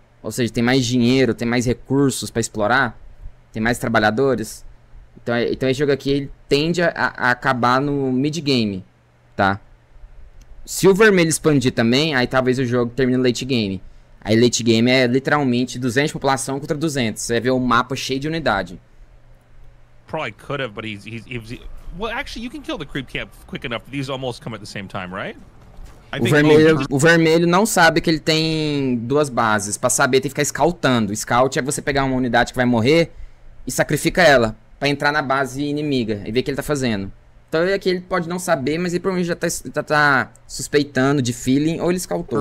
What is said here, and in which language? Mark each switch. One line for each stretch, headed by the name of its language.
Portuguese: Ou seja, tem mais dinheiro, tem mais recursos pra explorar, tem mais trabalhadores. Então esse jogo aqui ele tende a acabar no mid-game, tá? Se o vermelho expandir também, aí talvez o jogo termine no late-game. Aí late-game é literalmente 200 de população contra 200. Você vê o mapa cheio de unidade.
English: Probably could have, but he's well, actually, you can kill the creep camp quick enough. These almost come at the same time, right?
Portuguese: O vermelho não sabe que ele tem duas bases. Pra saber, tem que ficar scoutando. Scout é você pegar uma unidade que vai morrer e sacrifica ela pra entrar na base inimiga e ver o que ele tá fazendo. Então aqui ele pode não saber, mas ele provavelmente já tá suspeitando de feeling, ou ele scoutou.